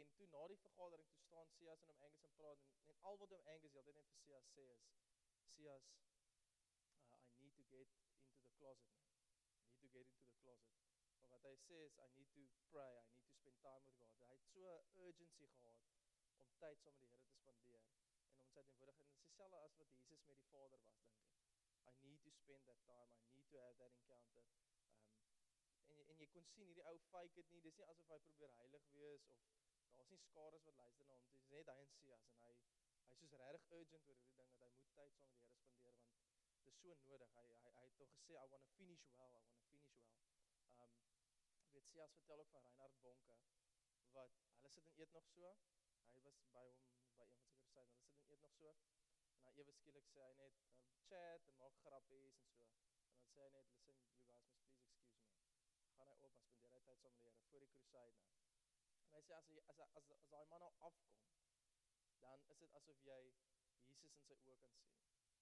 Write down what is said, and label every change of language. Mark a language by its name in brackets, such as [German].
[Afrikaans] En toe na die vergadering toe staan Sias en oom Angus en praat en al wat oom Angus die hele tyd net vir Sias sê is, Sias, [English] I need to get into the closet, man. I need to get into the closet. [Afrikaans] Maar wat hy sê is, [English] I need to pray, I need to spend time with God. [Afrikaans] Hy het so urgency gehad om tyd saam met die Here te spandeer en om sy teenwoordigheid, en dieselfde as wat Jesus met die Vader was, dink ek. [English] I need to spend that time, I need to have that encounter. [Afrikaans] En jy kon sien, hierdie ou fake het nie, dis nie asof hy probeer heilig wees, of daar is nie skares wat luister na hom, dis net hy en Sias, en hy is soos regtig urgent oor hierdie ding, dat hy moet tyd saam met die Here spandeer, want dit is so nodig. Hy het toch gesê, [English] I want to finish well. [Afrikaans] Weet Sias vertel ook van Reinhard Bonke, wat, hulle sit en eet nog so, hy was by hom, by een van sy kruisheid, hulle sit en eet nog so, en hy ewe skielik sê hy net, chat en maak grapjes en so, en dan sê hy net, [English] listen, you guys must please excuse me, [Afrikaans] gaan hy op, en spendeer hy tyd saam met die Here, voor die kruisheid nou, en hy sê, as die man nou afkom, dan is dit asof jy Jesus in sy oog kan sien.